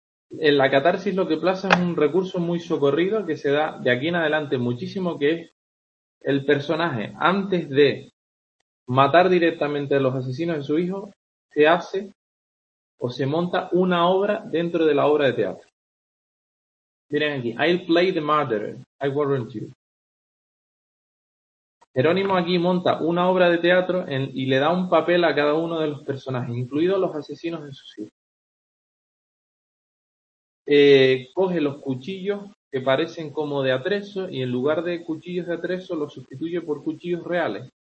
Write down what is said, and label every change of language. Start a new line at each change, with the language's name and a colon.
Spanish: En la catarsis lo que pasa es un recurso muy socorrido que se da de aquí en adelante muchísimo, que es el personaje, antes de matar directamente a los asesinos de su hijo, se hace o se monta una obra dentro de la obra de teatro. Miren aquí,
English: I'll play the murderer, I warrant you.
Spanish: Jerónimo aquí monta una obra de teatro y le da un papel a cada uno de los personajes, incluidos los asesinos de sus hijos. Coge los cuchillos que parecen como de atrezo y en lugar de cuchillos de atrezo los sustituye por cuchillos reales.